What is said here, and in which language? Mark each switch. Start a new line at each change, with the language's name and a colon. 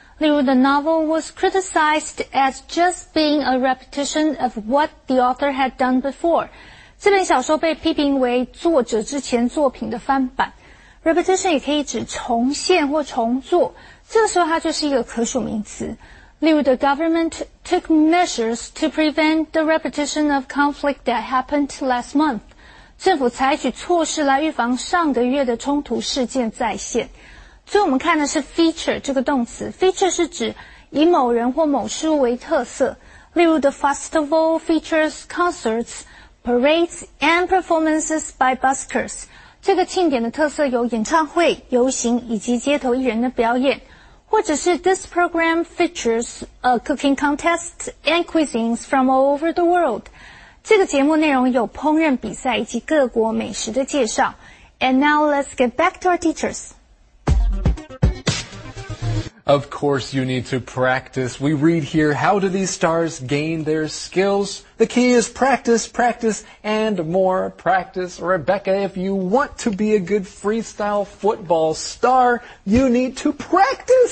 Chinese: 例如
English: ,the novel was criticized as just being a repetition of what the author had done before.
Chinese: 这本小说被批评为作者之前作品的翻版。 repetition 也可以指重现或重做，这个时候它就是一个可数名词。例如
English: ,the government took measures to prevent the repetition of conflict that happened last month.
Chinese: 政府采取措施来预防上个月的冲突事件再现。所以我们看的是 feature 这个动词。feature 是指以某人或某事物为特色。例如
English: ,the festival features concerts, parades, and performances by buskers.
Chinese: 这个庆典的特色有演唱会、游行以及街头艺人的表演，或者是
English: This program features a cooking contest and cuisines from all over the world.
Chinese: 这个节目内容有烹饪比赛以及各国美食的介绍。
English: And now let's get back to our teachers. Of course you need to practice. We read here, how do these stars gain their skills? The key is practice, practice, and more practice. Rebecca, if you want to be a good freestyle football star, you need to practice.